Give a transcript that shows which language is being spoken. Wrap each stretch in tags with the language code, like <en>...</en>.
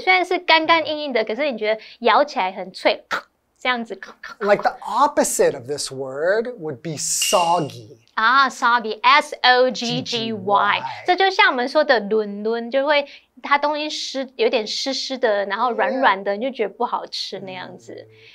<zh>虽然是干干硬硬的，可是你觉得咬起来很脆，这样子。</zh> <en>Like the opposite of this word would be soggy. Ah, soggy, S-O-G-G-Y.</en> <zh>这就像我们说的轮轮，就会它东西湿，有点湿湿的，然后软软的，你就觉得不好吃那样子。</zh>